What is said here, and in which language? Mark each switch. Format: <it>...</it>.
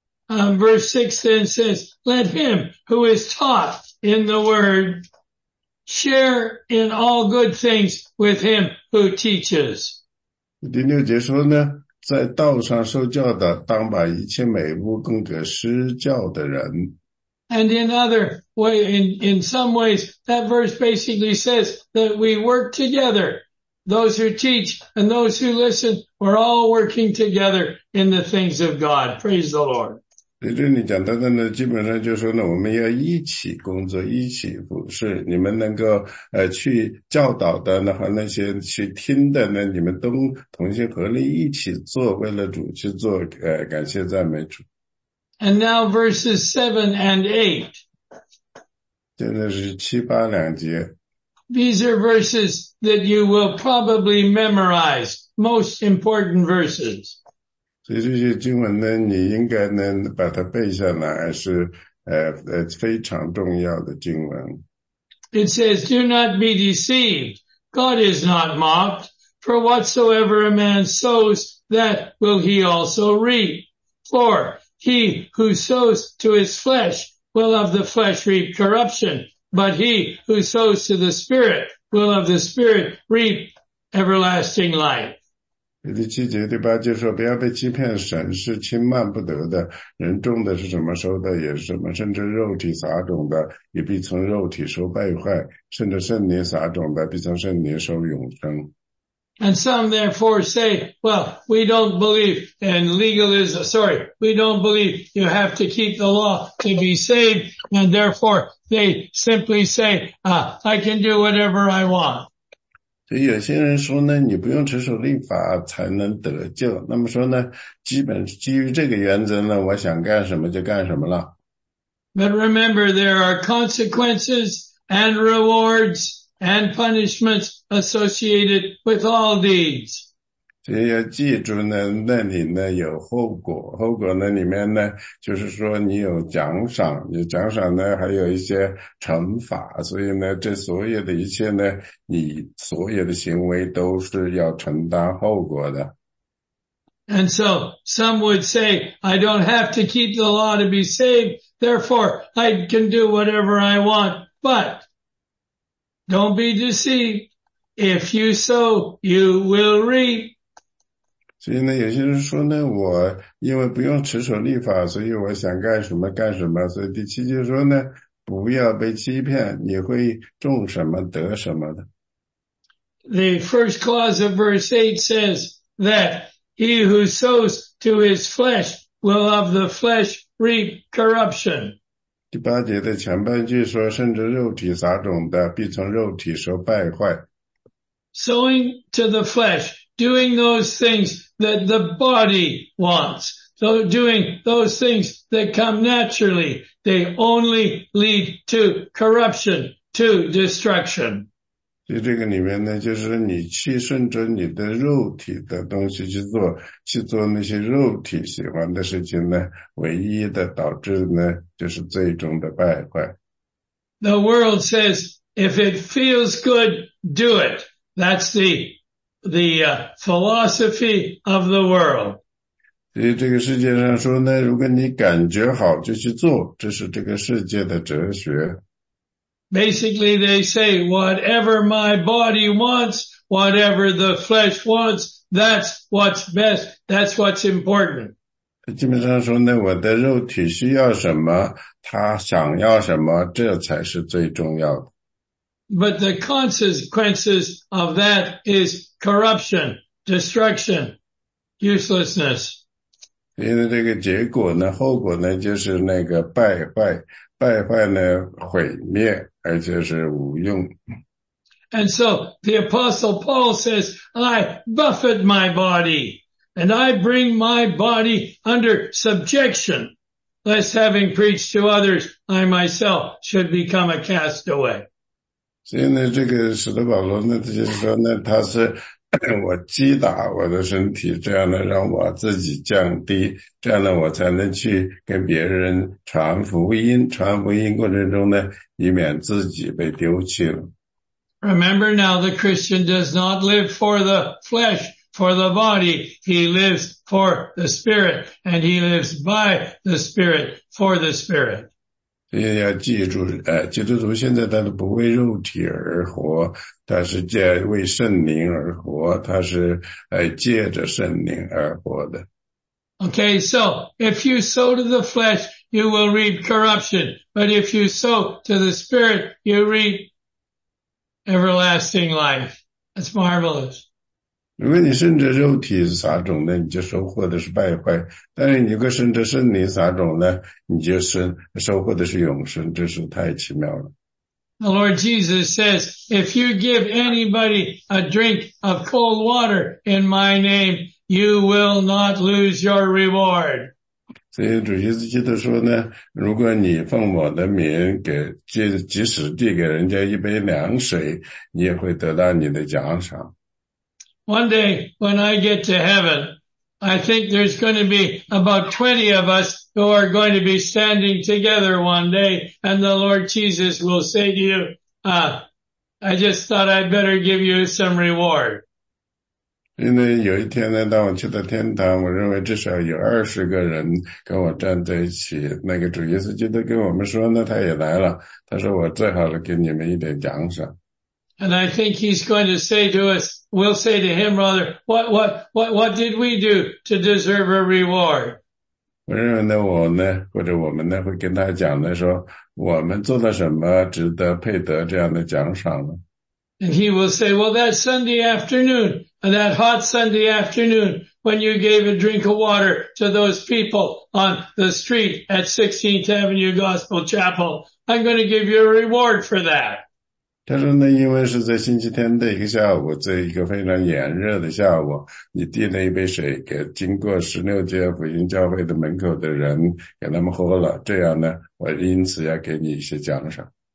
<en>Verse 6 then says, let him who is taught in the word share in all good things with him who teaches.</en> <zh>第六节说呢，在道上受教的当把一切美物供给施教的人。</zh> <en>And in other way, in some ways, that verse basically says that we work together. Those who teach and those who listen, we're all working together in the things of God. Praise the Lord.</en> <zh>这里讲到的呢，基本上就是说呢，我们要一起工作，一起服侍。你们能够去教导的，然后那些去听的呢，你们都同心合力一起做，为了主去做。感谢赞美主。</zh> <en>And now verses 7 and 8.</en> <zh>现在是七八两节。</zh> <en>These are verses that you will probably memorize. Most important verses.</en> <zh>所以这些经文呢，你应该能把它背下来，是非常重要的经文。</zh> <en>It says, "Do not be deceived. God is not mocked. For whatsoever a man sows, that will he also reap. For he who sows to his flesh will of the flesh reap corruption, but he who sows to the Spirit will of the Spirit reap everlasting life."</en> <zh>第七节第八节说，不要被欺骗，神是轻慢不得的，人种的是什么收的也是什么，甚至肉体撒种的也必从肉体收败坏，甚至圣灵撒种的必从圣灵收永生。</zh> <en>And some therefore say, well, we don't believe in legalism, sorry, we don't believe you have to keep the law to be saved, and therefore they simply say, I can do whatever I want.</en> <zh>所以有些人说呢，你不用持守律法才能得救。那么说呢，基于这个原则呢，我想干什么就干什么了。</zh> <en>But remember, there are consequences and rewards and punishments associated with all deeds.</en> <zh>所以要记住呢，那里呢有后果，后果呢里面呢就是说你有奖赏，有奖赏呢还有一些惩罚，所以呢这所有的一切呢，你所有的行为都是要承担后果的。</zh> <en>And so some would say, I don't have to keep the law to be saved, therefore I can do whatever I want, but don't be deceived. If you sow, you will reap.</en> <zh>所以呢，有些人说呢，我因为不用持守律法，所以我想干什么干什么。所以第七节说呢，不要被欺骗，你会种什么得什么的。</zh> <en>The first clause of verse 8 says that he who sows to his flesh will of the flesh reap corruption.</en> <zh>第八节的前半句说，甚至肉体撒种的必从肉体收败坏。</zh> <en>Sowing to the flesh. Doing those things that the body wants, so doing those things that come naturally, they only lead to corruption, to destruction.</en> <zh>所以这个里面呢，就是你去顺着你的肉体的东西去做，去做那些肉体喜欢的事情呢，唯一的导致呢，就是最终的败坏。</zh> <en>The world says, if it feels good, do it. That's the... philosophy of the world.</en> <zh>所以这个世界上说呢，如果你感觉好就去做，这是这个世界的哲学。</zh> <en>Basically, they say, whatever my body wants, whatever the flesh wants, that's what's best, that's what's important.</en> <zh>基本上说呢，我的肉体需要什么，他想要什么，这才是最重要的。</zh> <en>But the consequences of that is corruption, destruction, uselessness.</en> <zh>因为这个结果呢，后果呢，就是那个败坏，败坏呢，毁灭，而且是无用。</zh> <en>And so the Apostle Paul says, I buffet my body, and I bring my body under subjection, lest having preached to others, I myself should become a castaway.</en> <zh>所以呢，这个使徒保罗呢，他就是说呢，他是我击打我的身体，这样呢让我自己降低，这样呢我才能去跟别人传福音，传福音过程中呢，以免自己被丢弃了。</zh> <en>Remember now, the Christian does not live for the flesh, for the body. He lives for the Spirit, and he lives by the Spirit, for the Spirit.</en> <zh>所以要记住，基督徒现在他都不为肉体而活，他是借为圣灵而活，他是借着圣灵而活的。</zh> <en>Okay, so if you sow to the flesh, you will reap corruption, but if you sow to the Spirit, you reap everlasting life. That's marvelous.</en> <zh>因为你甚至肉体撒种呢，你就收获的是败坏；但是你个甚至圣灵撒种呢，你就收获的是永生。这是太奇妙了。</zh> <en>The Lord Jesus says, if you give anybody a drink of cold water in my name, you will not lose your reward.</en> <zh>所以主耶稣基督说呢，如果你奉我的名给，即使递给人家一杯凉水，你也会得到你的奖赏。</zh> <en>One day when I get to heaven, I think there's going to be about 20 of us who are going to be standing together one day, and the Lord Jesus will say to you, I just thought I'd better give you some reward.</en> <zh>因为有一天呢，当我去到天堂，我认为至少有20个人跟我站在一起。那个主耶稣基督跟我们说呢，他也来了，他说我最好给你们一点奖赏。</zh> <en>And I think he's going to say to us, we'll say to him, rather, what did we do to deserve a reward?</en> <zh>我认为呢，我呢，或者我们呢，会跟他讲呢，说我们做了什么值得配得这样的奖赏呢？</zh> <en>And he will say, well, that Sunday afternoon, that hot Sunday afternoon, when you gave a drink of water to those people on the street at 16th Avenue Gospel Chapel, I'm going to give you a reward for that.</en> <zh>他说呢，因为是在星期天的一个下午，在一个非常炎热的下午，你递了一杯水给经过16街福音教会的门口的人，给他们喝了。这样呢，我因此要给你一些奖赏。</zh>